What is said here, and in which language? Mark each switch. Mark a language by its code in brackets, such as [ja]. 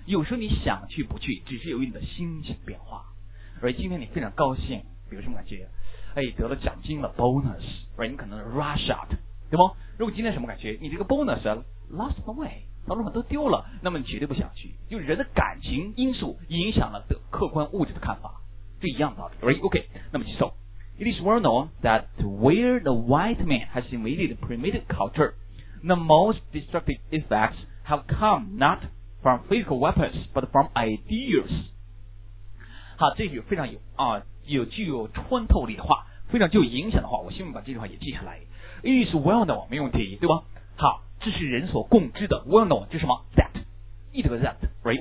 [zh] 有时候你想去不去，只是由于你的心情变化。而今天你非常高兴，比如什么感觉？哎，得了奖金了 ，bonus， 你可能 [en] rush out， [zh] 对吗？如果今天什么感觉？你这个 bonus [en] lost the way， [zh] 到路上都丢了，那么你绝对不想去。就人的感情因素影响了的客观物质的看法，这一样道理。 OK， 那么举手。 [en] It is well known that where the white man has invaded primitive culture, the most destructive effects have come not from physical weapons but from ideas. [zh] 好，这句非常有啊，有具有穿透力的话，非常具有影响的话，我希望把这句话也记下来。 [en] It is well known， [zh] 没问题，对吧？好，这是人所共知的。 [en] Well known [zh] 是什么 [en] ？That， it was that， right？